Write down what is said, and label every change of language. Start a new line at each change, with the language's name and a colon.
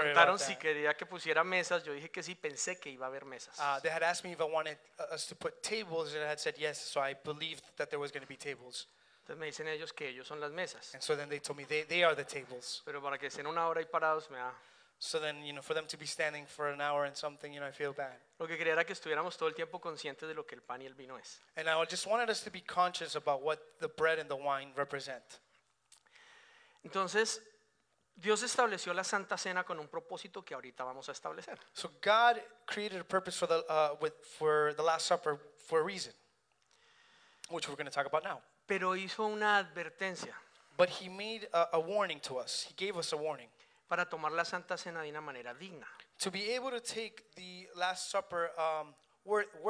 Spanish: preguntaron si quería que pusiera mesas. Yo dije que sí, pensé que iba a haber mesas.
English: They had asked me if I wanted us to put tables, and I had said yes, so I believed that there was going to be tables.
Spanish: Entonces me dicen ellos que ellos son las mesas.
English: And so then they told me they are the tables.
Spanish: Pero para que estén una hora ahí parados, me da.
English: So then, you know, for them to be standing for an hour and something, you know, I feel bad.
Spanish: Lo que quería era que estuviéramos todo el tiempo conscientes de lo que el pan y el vino es.
English: And I just wanted us to be conscious about what the bread and the wine represent.
Spanish: Entonces... Dios estableció la Santa Cena con un propósito que ahorita vamos a establecer.
English: So God created a purpose for the Last Supper for a reason, which we're going to talk about now.
Spanish: Pero hizo una advertencia.
English: But he made a warning to us. He gave us a warning.
Spanish: Para tomar la Santa Cena de una manera digna.
English: To be able to take the Last Supper with